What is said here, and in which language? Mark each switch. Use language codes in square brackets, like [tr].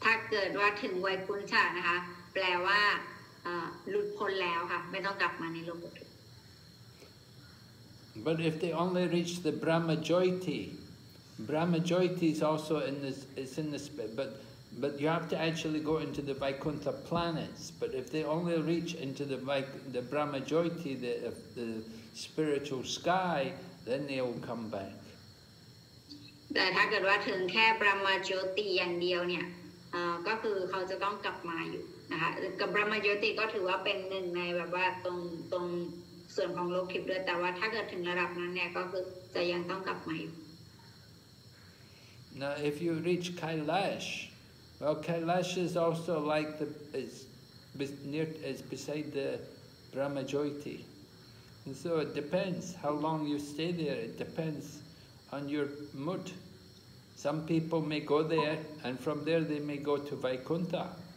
[th] เกิดว่าถึงไวยกุณฑะนะคะแปลว่าหลุดพ้นแล้วค่ะไม่ต้องกลับมาในโลกุตตร [en] But if they only reach the Brahmajyoti is also in this, it's in the spirit, but you have to actually go into the Vaikuntha planets. But if they only reach into the Brahmajyoti, the spiritual sky, then they will come back. [th] แต่ถ้าเกิดว่าถึงแค่ Brahmajyoti อย่างเดียวเนี่ยก็คือเขาจะต้องกลับมาอยู่นะคะกับ Brahmajyoti ก็ถือว่าเป็นหนึ่งในแบบว่าตรงส่วนของโลกทิพย์ด้วยแต่ว่าถ้าเกิดถึงระดับนั้นเนี่ยก็คือจะยังต้องกลับมาอยู่ [en] Now, if you reach Kailash, well, Kailash is also like the is beside the Brahmajyoti, and so it depends how long you stay there. It depends on your mood. Some people may go there, and from there they may go to Vaikuntha.